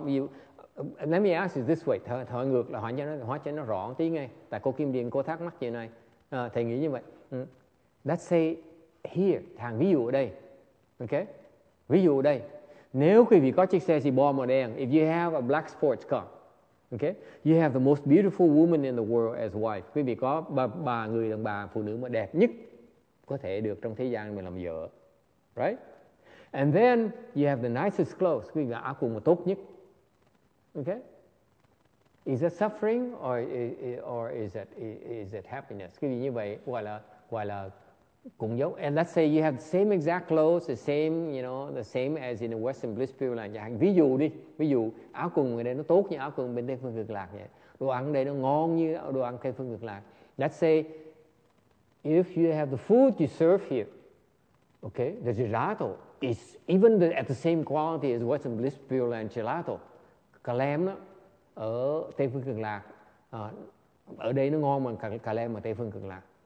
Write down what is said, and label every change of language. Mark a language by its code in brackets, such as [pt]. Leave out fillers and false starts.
[vi] Ví dụ, [en] let me ask you this way, [vi] thở ngược là hỏi cho nó rõ tí ngay. Tại cô Kim Điền cô thắc mắc chuyện này, thầy nghĩ như vậy. [en] Let's say here, [vi] thằng ví dụ ở đây, okay? Ví dụ ở đây, nếu quý vị có chiếc xe Sibo màu đen, [en] if you have a black sports car, [vi] okay? [en] You have the most beautiful woman in the world as wife. [vi] Quý vị có bà người đàn bà phụ nữ mà đẹp nhất có thể được trong thế gian mình làm vợ, right? [en] And then you have the nicest clothes. [vi] Quý vị áo quần mà tốt nhất. [en] Okay? Is that suffering or is it happiness? [vi] Quý vị như vậy gọi là cũng giống. [en] And let's say you have the same exact clothes, the same as in the Western Bliss Pure Land. [vi] Ví dụ áo quần ở đây nó tốt như áo quần bên Tây Phương Cực Lạc vậy. Đồ ăn ở đây nó ngon như đồ ăn Tây Phương Cực Lạc. [en] Let's say if you have the food you serve here. Okay? The gelato is even at the same quality as Western Bliss Pure Land gelato. [vi] Cà lem đó, ở Tây Phương Cực Lạc, ở đây nó ngon bằng cà lem ở Tây Phương Cực Lạc.